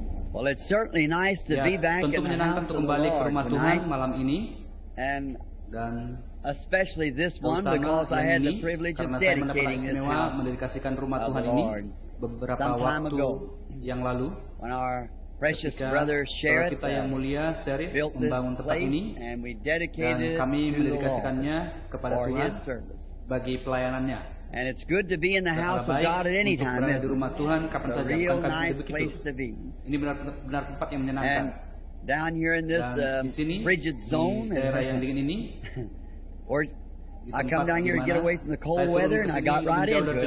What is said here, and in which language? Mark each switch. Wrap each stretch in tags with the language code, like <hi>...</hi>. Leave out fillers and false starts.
<en>Well, it's certainly nice to be back.</en> <id>Tentu menyenangkan untuk kembali ke rumah Tuhan malam ini.</id> <en>And</en> <id>dan</id> <en>especially this one because I had the privilege of dedicating this house,</en> <id>mendedikasikan rumah Tuhan ini beberapa waktu yang lalu.</id> <en>When our precious brother Sherit,</en> <id>kita yang mulia Sherit membangun tempat ini,</id> <en>and we dedicated</en> <id>dan kami mendedikasikannya kepada Tuhan bagi pelayanannya.</id> <en>And it's good to be in the house of God at any time.</en> <id>Di rumah Tuhan kapan saja, bukan begitu? Ini benar-benar tempat yang menyenangkan.</id> <en>And down here in this</en> <id>sini,</id> <en>frigid zone,</en> <id>di daerah yang dingin ini.</id> <en>Or I come down here to get away from the cold weather, and I got right in.</en>